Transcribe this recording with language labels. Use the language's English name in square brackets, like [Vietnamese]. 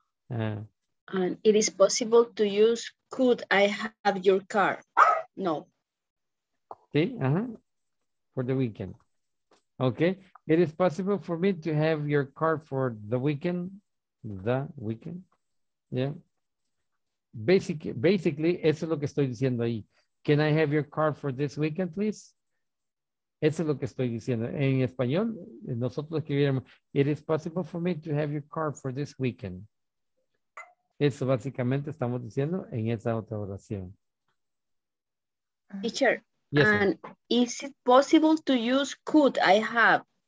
[English] And it is possible to use could I have your car? No. Sí, for the weekend. Okay. It is possible for me to have your car for the weekend. The weekend. Yeah. Basically, [Spanish] eso es lo que estoy diciendo ahí. [English] Can I have your car for this weekend, please? [Spanish] Eso es lo que estoy diciendo. En español, nosotros escribiremos, [English] it is possible for me to have your car for this weekend. [Spanish] Eso básicamente estamos diciendo en esa otra oración. [English] Teacher, yes, and is it possible to use could I have?